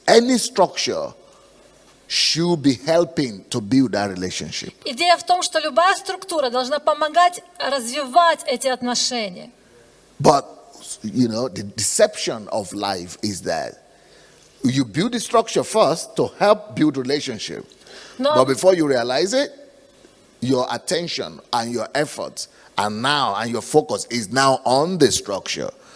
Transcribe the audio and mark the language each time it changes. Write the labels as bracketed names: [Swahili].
[English] Any structure should be helping to build that relationship. [Russian] Идея в том, что любая структура должна помогать развивать эти отношения. [English] But, you know, the deception of life is that you build the structure first to help build relationship. But before you realize it, your attention and your efforts are now, and your focus is now on the structure.